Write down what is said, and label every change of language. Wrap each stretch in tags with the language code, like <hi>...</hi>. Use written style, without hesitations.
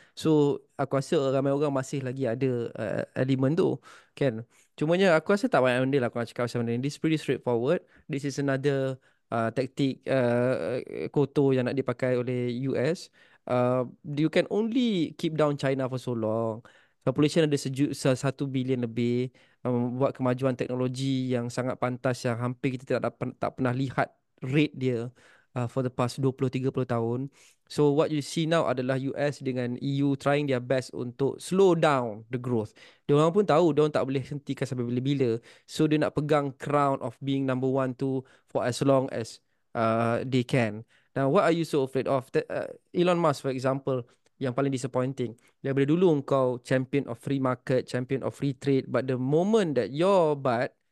<ms>So aku rasa ramai orang masih lagi ada element tu kan. Cumanya aku rasa tak banyak benda lah aku nak cakap pasal benda ni.</ms> <en>This pretty straightforward. This is another</en> <ms>taktik kotor yang nak dipakai oleh</ms> <en>US. You can only keep down China for so long.</en> <ms>Population ada 1 bilion lebih, buat kemajuan teknologi yang sangat pantas, yang hampir kita tak pernah lihat rate dia</ms> <en>for the past</en> <ms>20-30 tahun.</ms> <en>So what you see now</en> <ms>adalah</ms> <en>US</en> <ms>dengan</ms> <en>EU trying their best</en> <ms>untuk</ms> <en>slow down the growth.</en> <ms>Diorang pun tahu diorang tak boleh hentikan sampai bila-bila. So dia nak pegang</ms> <en>crown of being number one tu for as long as they can. Now what are you so afraid of? Elon Musk for example,</en> <ms>yang paling</ms> <en>disappointing.</en> <ms>Daripada dulu kau</ms> <en>champion of free market, champion of free trade, but the moment that your butt</en>